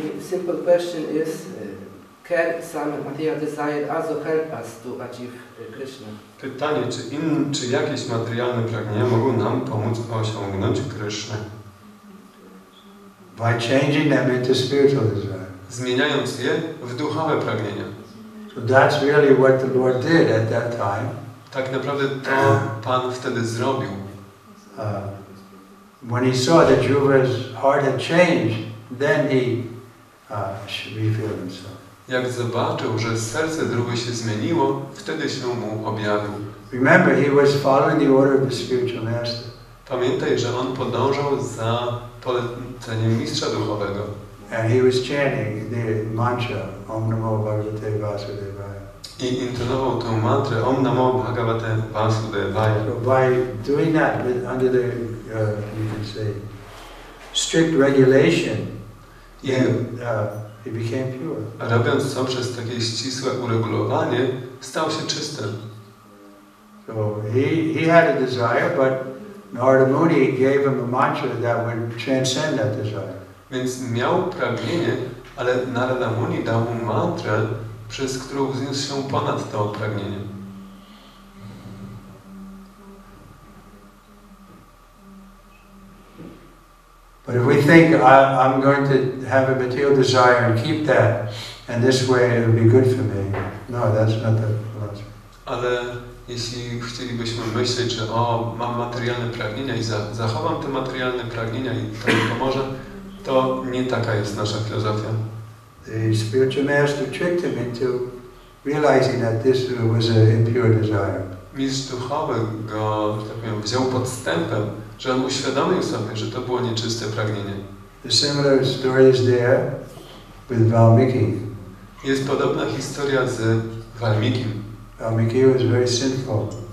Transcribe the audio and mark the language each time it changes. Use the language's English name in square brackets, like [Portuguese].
[English] Simple question is, can some material desire also help us to achieve Krishna? [Polish] Pytanie, czy jakieś materialne pragnienia mogą nam pomóc osiągnąć Krishna? [English] By changing them into spiritual desire. [Polish] Zmieniając je w duchowe pragnienia. [English] So that's really what the Lord did at that time. [Polish] Tak naprawdę to Pan wtedy zrobił. [English] When he saw that Juva's heart had changed, then he revealed himself. [Polish] Jak zobaczył, że serce Druwy się zmieniło, wtedy się mu objawił. [English] Remember, he was following the order of the spiritual master. [Polish] Pamiętaj, że on podążał za poleceniem mistrza duchowego. [English] And he was chanting the mantra Om Namo Bhagavate Vasudevaya. [Polish] I intonował tę mantrę Om Namo Bhagavate Vasudevaya. [English] So by doing that with, under the you can say strict regulation, he became pure. [Polish] A robiąc to przez takie ścisłe uregulowanie, stał się czystym. [English] So he had a desire, but Narada Muni gave him a mantra that would transcend that desire. [Polish] Więc miał pragnienie, ale Narada Muni dał mu mantrę, przez którą wzniósł się ponad to pragnienie. [English] But if we think I'm going to have a material desire and keep that, and this way it'll be good for me, no, that's not the philosophy. [Polish] Ale jeśli chcielibyśmy myśleć, że o, mam materialne pragnienia i zachowam te materialne pragnienia i to mi pomoże, to nie taka jest nasza filozofia. [English] The spiritual master tricked him into realizing that this was an impure desire. [Polish] Mistrz duchowy go, tak powiem, wziął podstępem, że on uświadomił sobie, że to było nieczyste pragnienie. [English] The similar story is there with Valmiki. [Polish] Jest podobna historia z Valmikim. [English] Valmiki was very sinful.